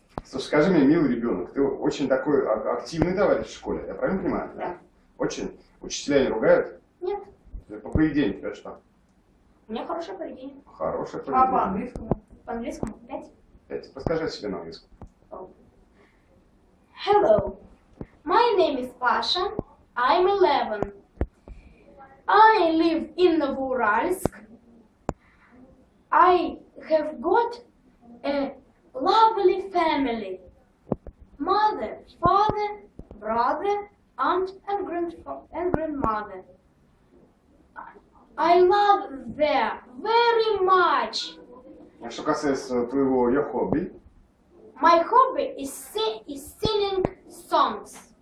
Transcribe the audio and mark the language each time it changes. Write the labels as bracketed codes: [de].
[ru] Слушай, скажи мне, милый ребенок, ты очень такой активный товарищ в школе, я правильно понимаю? Да. Очень? Учителя не ругают? Нет. По поведению тебя что? У меня хорошее поведение. Хорошее поведение. А по-английскому? По-английскому? 5? 5. Подскажи себе на английском. Oh. [en] Hello, my name is Pasha, I'm 11. I live in Novouralsk. I have got a lovely family. Mother, father, brother, aunt and grandmother. I love them very much. [ru] А что касается твоего хобби? [en] My hobby is singing songs.